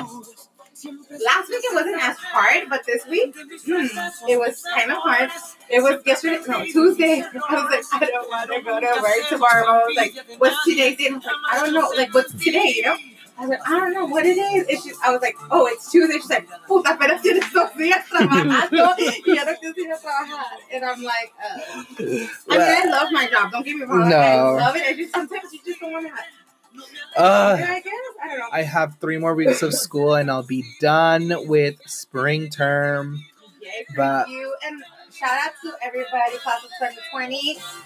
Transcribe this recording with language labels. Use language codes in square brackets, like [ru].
[en] Last week it wasn't as hard, but this week, it was kind of hard. It was Tuesday. I was like, I don't want to go to work tomorrow. I was like, what's today? And I was like, I don't know. Like, what's today, you know? I was like, I don't know what it is. And she, I was like, oh, it's Tuesday. She's like, [es] puta, pero tienes dos días trabajando. Y ahora tienes que trabajar. [en] And I'm like, I mean, I love my job. Don't get me wrong. No. I love it. I just, sometimes you just don't want to have I have 3 more weeks of school and I'll be done with spring term. Thank you. And shout out to everybody, class of 2020.